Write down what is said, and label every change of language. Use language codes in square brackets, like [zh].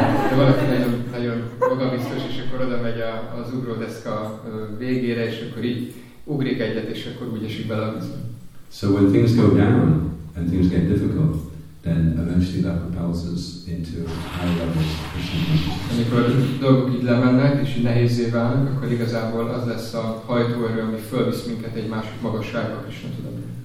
[hu] De valaki nagyon magabiztos, és akkor oda megy az ugró akkor így ugrik egyet, és akkor úgy esik bele a vízbe. [en] So when things go down and things get difficult, then eventually that propels us into higher levels of Krishna. [hu] Amikor dolgok így lemennek, és így nehézé válnak, akkor igazából az lesz a hajtóerő, ami fölvisz minket egy másik magasságba, Krishna tudatba.